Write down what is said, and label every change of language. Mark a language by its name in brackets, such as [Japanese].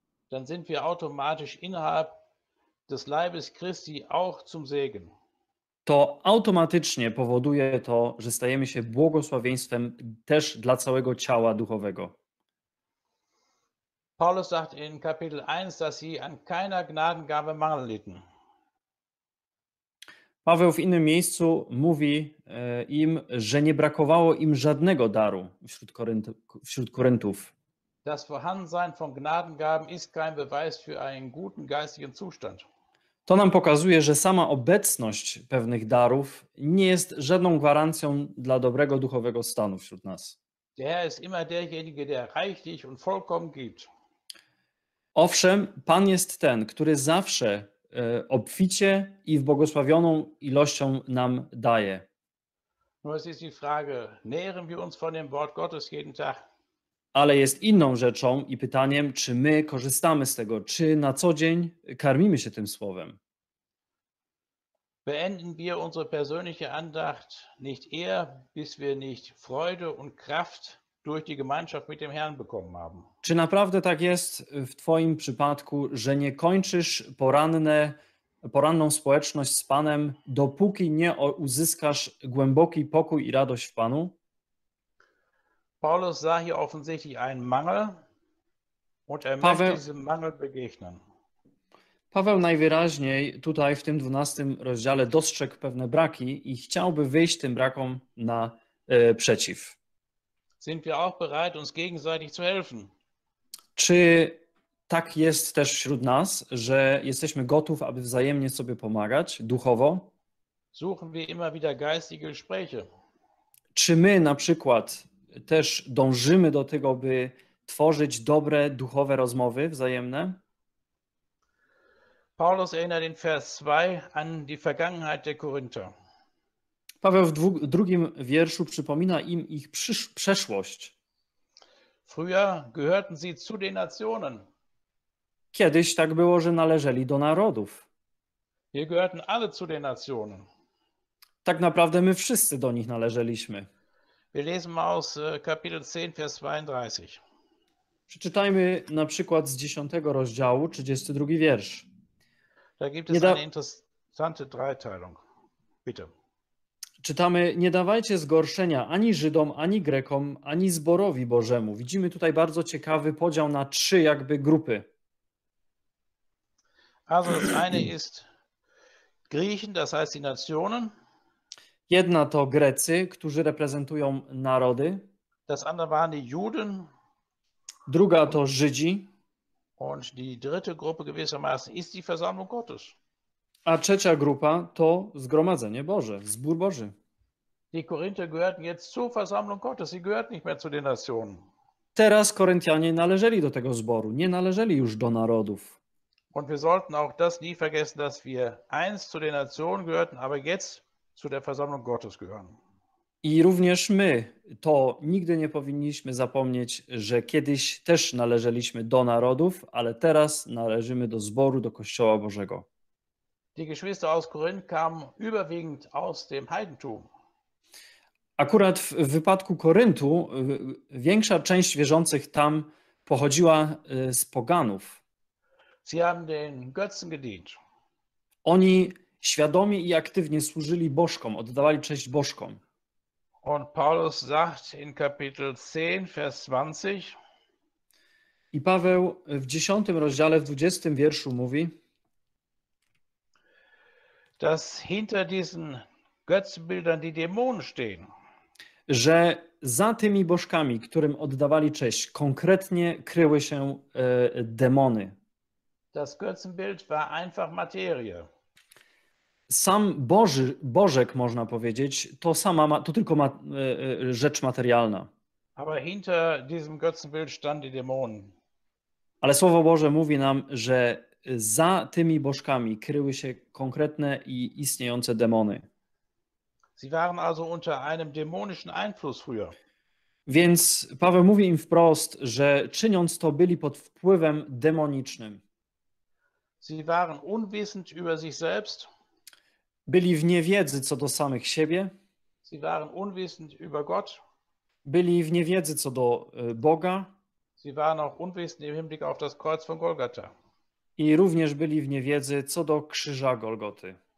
[German] dann sind wir automatisch innerhalb des Leibes Christi auch zum Segen. [Polish] To automatycznie powoduje to, że stajemy się błogosławieństwem też dla całego ciała duchowego. [German] Paulus sagt in Kapitel 1, dass sie an keiner Gnadengabe mangel litten. [Polish] Paweł w innym miejscu mówi im, że nie brakowało im żadnego daru wśród Koryntów. [German] Das Vorhandensein von Gnadengaben ist kein Beweis für einen guten geistigen Zustand. [Polish] To nam pokazuje, że sama obecność pewnych darów nie jest żadną gwarancją dla dobrego duchowego stanu wśród nas. [German] Der Herr ist immer derjenige, der reichlich und vollkommen gibt. [Polish] Owszem, Pan jest ten, który zawsze obficie i w błogosławioną ilością nam daje. [German] No, es ist die Frage, nähren wir uns von dem Wort Gottes jeden Tag? [Polish] Ale jest inną rzeczą i pytaniem, czy my korzystamy z tego, czy na co dzień karmimy się tym słowem. [German] Beenden wir unsere persönliche Andacht nicht eher, bis wir nicht Freude und Kraft durch die Gemeinschaft mit dem Herrn bekommen haben. [Polish] Czy naprawdę tak jest w twoim przypadku, że nie kończysz poranną społeczność z Panem, dopóki nie uzyskasz głęboki pokój i radość w Panu? [German] Paulus sah hier offensichtlich einen Mangel und er möchte diesem Mangel begegnen. [Polish] Paweł najwyraźniej tutaj w tym 12 rozdziale dostrzegł pewne braki i chciałby wyjść tym brakom na przeciw. [German] Sind wir auch bereit, uns gegenseitig zu helfen? [Polish] Czy tak jest też wśród nas, że jesteśmy gotów, aby wzajemnie sobie pomagać duchowo. [German] Suchen wir immer wieder geistige Gespräche. [Polish] Czy my na przykład też dążymy do tego, by tworzyć dobre duchowe rozmowy wzajemne? [German] Paulus erinnert in Vers 2 an die Vergangenheit der Korinther. [Polish] Paweł w drugim wierszu przypomina im ich przeszłość. [German] Früher gehörten sie zu den Nationen. [Polish] Kiedyś tak było, że należeli do narodów. [German] Wir gehörten alle zu den Nationen. [Polish] Tak naprawdę my wszyscy do nich należeliśmy. [German] Wir lesen mal aus Kapitel 10, Vers 32. [Polish] Przeczytajmy na przykład z 10 rozdziału, 32 wiersz. [German] Da gibt es eine interessante Dreiteilung. Bitte. [Polish] Czytamy, nie dawajcie zgorszenia ani Żydom, ani Grekom, ani zborowi Bożemu. Widzimy tutaj bardzo ciekawy podział na trzy jakby grupy. [German] Also das eine ist Griechen, das heißt die Nationen. [Polish] Jedna to Grecy, którzy reprezentują narody. [German] Das andere waren die Juden. [Polish] Druga to Żydzi. [German] Und die dritte Gruppe gewissermaßen ist die Versammlung Gottes. [Polish] A trzecia grupa to zgromadzenie Boże, zbór Boży. [German] Die Korinther gehörten jetzt zur Versammlung Gottes, sie gehörten nicht mehr zu den Nationen. [Polish] Teraz Koryntianie należeli do tego zboru, nie należeli już do narodów. [German] Und wir sollten auch das nie vergessen, dass wir einst zu den Nationen gehörten, aber jetzt zu der Versammlung Gottes gehören. [Polish] I również my to nigdy nie powinniśmy zapomnieć, że kiedyś też należeliśmy do narodów, ale teraz należymy do zboru, do Kościoła Bożego. [German] Die Geschwister aus Korinth kamen überwiegend aus dem Heidentum. [Polish] Akurat w wypadku Koryntu większa część wierzących tam pochodziła z poganów. [German] Sie haben den Götzen gedient. [Polish] Oni świadomie i aktywnie służyli bożkom, oddawali cześć bożkom. [German] Und Paulus sagt in Kapitel 10, Vers 20. [Polish] I Paweł w 10 rozdziale, w 20 wierszu mówi, [German] dass hinter diesen Götzenbildern die Dämonen stehen. [Polish] Że za tymi bożkami, którym oddawali cześć, konkretnie kryły się demony. [German] Das Götzenbild war einfach Materie. [Polish] Sam Bożek, można powiedzieć, to sama to tylko rzecz materialna. [German] Aber hinter diesem Götzenbild stand die Dämonen. [Polish] Ale Słowo Boże mówi nam, że za tymi bożkami kryły się konkretne i istniejące demony. [German] Sie waren also unter einem dämonischen Einfluss früher. [Polish] Więc Paweł mówi im wprost, że czyniąc to byli pod wpływem demonicznym. [German] Sie waren unwissend über sich selbst. [Polish] Byli w niewiedzy co do samych siebie. [German] Sie waren unwissend über Gott. [Polish] Byli w niewiedzy co do Boga. [German] Sie waren auch unwissend im Hinblick auf das Kreuz von Golgatha. [Polish] I również byli w niewiedzy co do krzyża Golgoty.